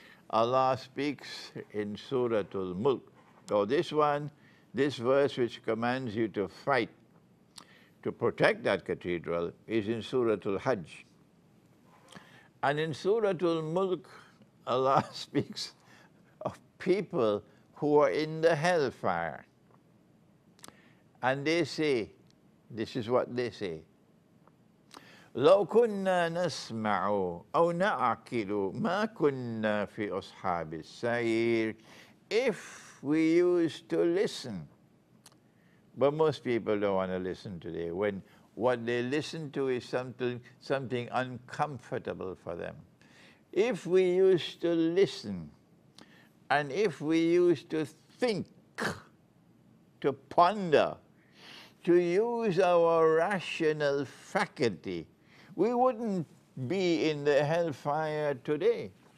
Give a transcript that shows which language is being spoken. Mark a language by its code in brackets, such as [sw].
[en] Allah speaks in Surah Al-Mulk, or this one, this verse which commands you to fight to protect that cathedral is in Surah Al-Hajj. And in Surah Al-Mulk, Allah speaks of people who are in the hellfire. And they say, this is what they say, [ar] لَوْ كُنَّا نَسْمَعُ أَوْ نَعَقِلُ مَا كُنَّا فِي أَصْحَابِ السَّعِيرِ. [en] If we used to listen, but most people don't want to listen today, when what they listen to is something uncomfortable for them. If we used to listen, and if we used to think, to ponder, to use our rational faculty, we wouldn't be in the hellfire today.